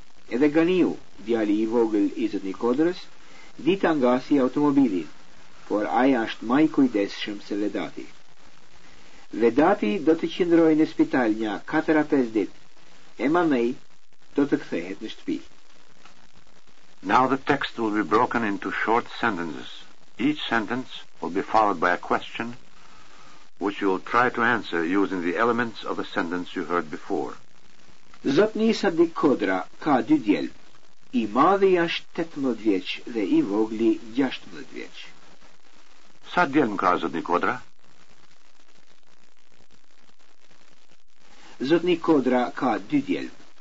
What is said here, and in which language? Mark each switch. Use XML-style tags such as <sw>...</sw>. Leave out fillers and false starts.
<sq>Edhe Ganiu, djali i vogël i zotnisë Kodrës, dita ngasi automobilin, por ai është më i kujdesshëm se Vedati. Vedati do të qëndrojë në spital një 4-5 ditë, e mamej do të kthehet në shtëpi.</sq> <en>Now the text will be broken into short sentences. Each sentence will be followed by a question, which you will try to answer using the elements of a sentence you heard before.</en> <sq>Zotni Sadik Kodra ka dy djelm. I madhi është 18 vjeç dhe i vogli 16 vjeç. Sa djelm ka Zotni Kodra? Zotni Kodra ka dy djelm.</sq>